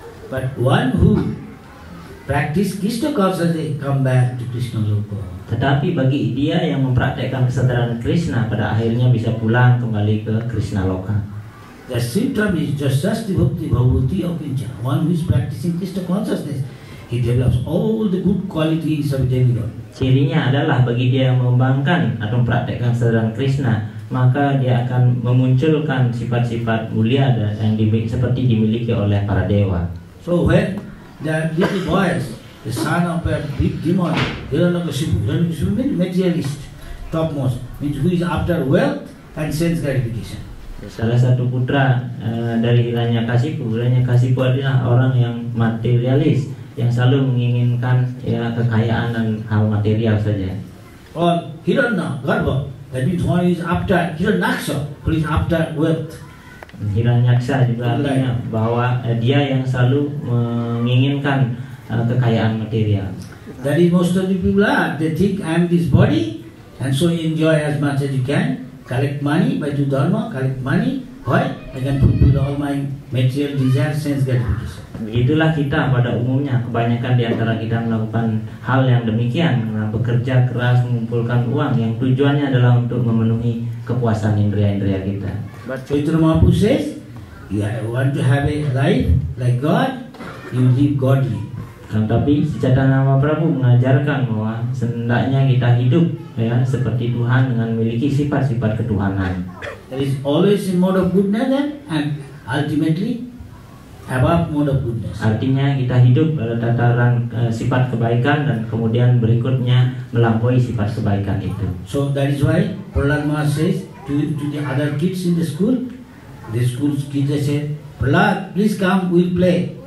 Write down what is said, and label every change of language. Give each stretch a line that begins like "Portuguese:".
English: But one who practice Krishna consciousness come back to Krishna loka.
Indonesian: Tetapi bagi dia yang mempraktekkan kesadaran Krishna, pada akhirnya bisa pulang kembali ke Krishna loka.
English: The syndrome is just the bhakti bhavuti of India. One who is practicing Krishna consciousness, he develops all the good qualities of demigod.
Indonesian: Cirinya adalah bagi dia yang mengembangkan atau mempraktekkan kesadaran Krishna, maka dia akan memunculkan sifat-sifat mulia yang seperti dimiliki oleh para dewa.
English: So when the little boy, the son of a big demon, Hiranyakashipu means materialist, topmost, means who is after wealth and sense gratification.
Indonesian: Salah satu putra dari Hiranyakashipu adalah orang yang materialis, yang selalu menginginkan ya kekayaan dan hal material saja.
English: Or Hiranyagarbha, that means one is after Hiranyaksha, who is after wealth.
Indonesian: Hiranyaksha juga artinya bahwa dia yang selalu menginginkan kekayaan material.
English: That is most of the people are, they think I am this body, and so enjoy as much as you can, collect money by your dharma, collect money, why? I can fulfill all my material desires, sense gratification.
Indonesian: Begitulah kita pada umumnya, kebanyakan di antara kita melakukan hal yang demikian, bekerja keras mengumpulkan uang yang tujuannya adalah untuk memenuhi kepuasan indria-indria kita.
English: Chaitanya Mahaprabhu says, you want to have a life like God, you live godly.
Indonesian: Tetapi Chaitanya Mahaprabhu mengajarkan bahwa sendaknya kita hidup ya seperti Tuhan dengan memiliki sifat-sifat ketuhanan.
English: There is always a mode of goodness and ultimately above mode of goodness.
Indonesian: Artinya kita hidup pada tataran sifat kebaikan dan kemudian berikutnya melampaui sifat kebaikan itu.
English: So that is why Prahlad Maharaj says to the other kids in the school kids, they say, Prahlad, please come, we'll play.